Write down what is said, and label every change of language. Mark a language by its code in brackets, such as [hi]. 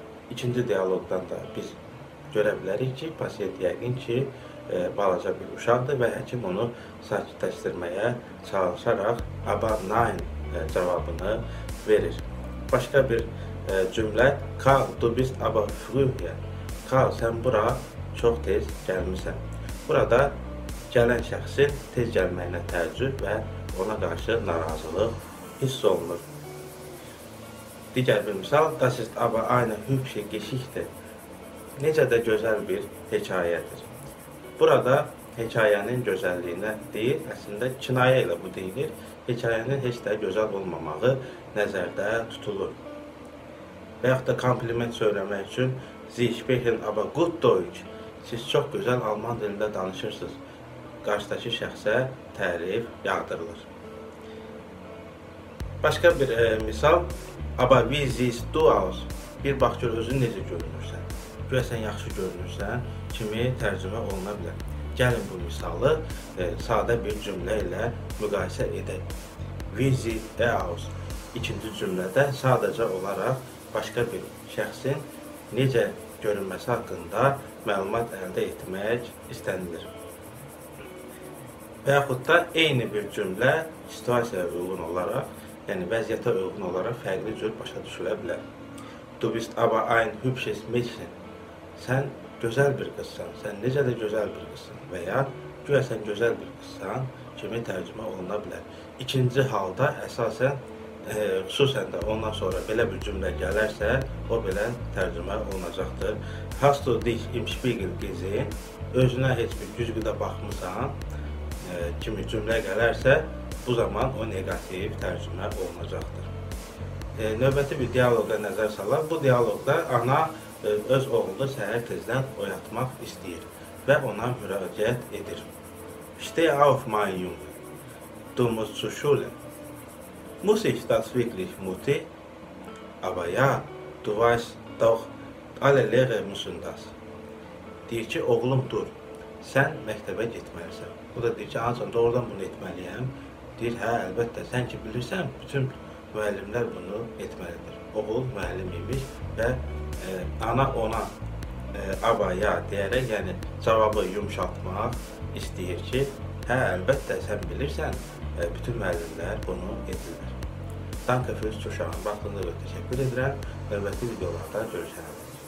[az] İkinci dialogdan da biz görə bilərik ki, pasiyent yəqin ki, balaca bir uşaqdır və həkim onu sakitləşdirməyə çalışaraq ABBA nein cavabını verir. [de] Başqa bir cümlə, Karl, du bist aber früher. [az] Karl, sən bura çox tez gəlmişsən. Burada gələn şəxsin tez gəlməyinə təəccüb və ona qarşı narazılıq hiss olunur. [de] Digər bir misal, das ist aber eine hübsche Geschichte. [az] Necə də gözəl bir hekayədir. Burada hekayənin gözəlliyinə deyil, əslində kinayə ilə bu deyilir. Hekayənin heç də gözəl olmamağı nəzərdə tutulur. Və yaxud da kompliment söyləmək üçün [de] Sie sprechen aber gut Deutsch. [az] Siz çox gözəl alman dilində danışırsınız. Qarşıdakı şəxsə tərif yağdırılır. [de] Başqa bir misal, Aber wie siehst du aus? [az] Bir bax gör, özün necə görünürsən. Görəsən, yaxşı görünürsən kimi tərcümə oluna bilər. Gəlin bu misalı sadə bir cümlə ilə müqayisə edək. [de] Wie siehst du aus? [az] İkinci cümlədə sadəcə olaraq başqa bir şəxsin necə görünməsi haqqında məlumat əldə etmək istənilir. Və yaxud da eyni bir cümlə situasiyaya uyğun olaraq, yəni vəziyyətə uyğun olaraq fərqli cür başa düşülə bilər. [de] Du bist aber ein hübsches Mädchen. [az] Sən gözəl bir qızsan, sən necə də gözəl bir qızsan və ya güyəsən gözəl bir qızsan kimi tərcümə oluna bilər. İkinci halda əsasən, xüsusən də ondan sonra belə bir cümlə gələrsə, o belə tərcümə olunacaqdır. [de] Hast du dich im Spiegel gesehen? [az] Özünə heç bir güzgüdə baxmısan kimi cümlə gələrsə, bu zaman o negativ tərcümə olunacaqdır. Növbəti bir dialoga nəzər salaq. Bu dialogda ana öz oğlunu səhər tezdən oyatmaq istəyir və ona müraciət edir. [de] Steh auf, mein Junge. Du musst zur Schule. Muss ich das wirklich, Mutti? Aber ja, du weißt doch, alle Lehrer müssen das. [az] Deyir ki, oğlum dur, sən məktəbə getməlisən. O da deyir ki, ancaq doğrudan bunu etməliyəm. Deyir, hə, əlbəttə, sən ki, bilirsən, bütün müəllimlər bunu etməlidir. Oğul müəllim imiş və ana ona abaya deyərək, yəni cavabı yumşaltmaq istəyir ki, hə, əlbəttə, sən bilirsən, bütün müəllimlər bunu edirlər. [de] Danke fürs Zuschauen. [az] Baxdığınız üçün təşəkkür edirəm. Növbəti videolarda görüşərəm.